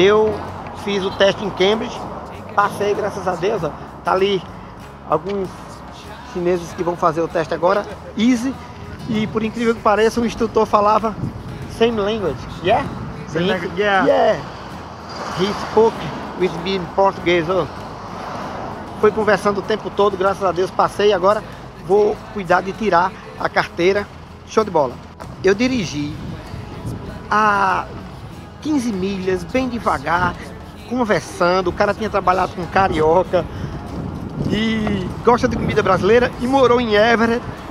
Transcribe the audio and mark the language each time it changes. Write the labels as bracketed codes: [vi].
[pt] Eu fiz o teste em Cambridge, passei, graças a Deus. Tá ali alguns chineses que vão fazer o teste agora. Easy. E por incrível que pareça, o instrutor falava [en] same language. Yeah? Same language. Yeah. Yeah. He spoke with me in Portuguese. Oh. [pt] Foi conversando o tempo todo, graças a Deus, passei. Agora vou cuidar de tirar a carteira. Show de bola. Eu dirigi a 15 milhas, bem devagar, conversando. O cara tinha trabalhado com carioca e gosta de comida brasileira e morou em Everett.